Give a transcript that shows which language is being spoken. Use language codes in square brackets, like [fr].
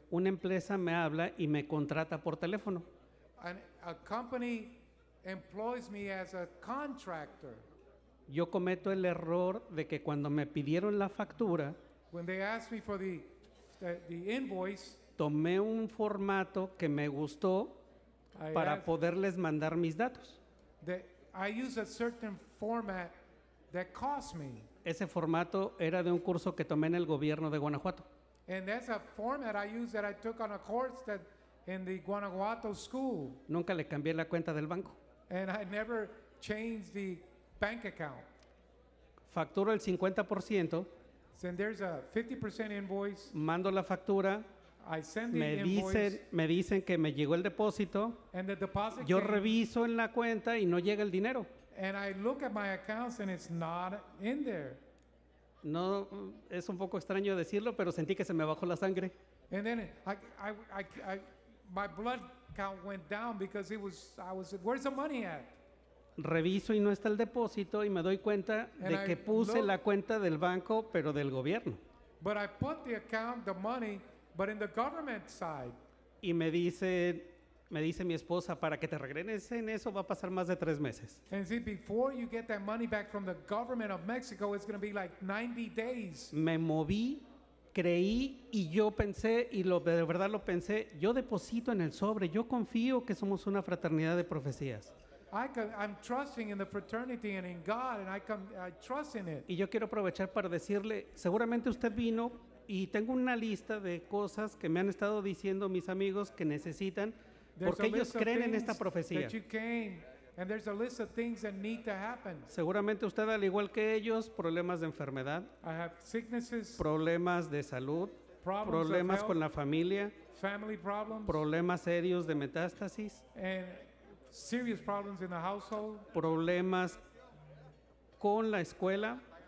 [es] Una empresa me habla y me contrata por teléfono. [en] And a company employs me as a contractor. [es] Yo cometo el error de que cuando me pidieron la factura, [en] when they asked me for the invoice, [es] tomé un formato que me gustó para poderles mandar mis datos. [en] I use a certain format that cost me. [es] Ese formato era de un curso que tomé en el gobierno de Guanajuato. [en] And that's a format I used that I took on a course that in the Guanajuato school. [es] Nunca le cambié la cuenta del banco. [en] And I never changed the bank account. [es] Facturo el 50%. [en] Then there's a 50% invoice. [es] Mando la factura. [en] I send the invoice. [es] Me dicen que me llegó el depósito. [en] And the deposit [es] Yo [en] came. [es] Reviso en la cuenta y no llega el dinero. [en] And I look at my accounts and it's not in there. [es] No, es un poco extraño decirlo, pero sentí que se me bajó la sangre. [en] And then I my blood count went down because I was where's the money at? [es] Reviso y no está el depósito y me doy cuenta de que puse la cuenta del banco, pero del gobierno. [en] But I put the account, the money, but in the government side. [es] Y me dice mi esposa, para que te regreses en eso va a pasar más de 3 meses. [en] And see, before you get that money back from the government of Mexico, it's going to be like 90 days. [es] Me moví, creí y yo pensé, y de verdad lo pensé, yo deposito en el sobre, yo confío que somos una fraternidad de profecías. [en] I'm trusting in the fraternity and in God, and I trust in it. [es] Y yo quiero aprovechar para decirle, seguramente usted vino y tengo una lista de cosas que me han estado diciendo mis amigos que necesitan. Porque ellos creen en esta profecía. [en] And there's a list of things that need to happen. [es] Seguramente usted, al igual que ellos, problemas de enfermedad, [en] I have sicknesses, [es] problemas de salud, [en] problems [es] problemas [en] of health, [es] con la familia, [en] family problems, [es] problemas serios de metástasis, [en] and serious problems in the household, [es] problemas con la escuela,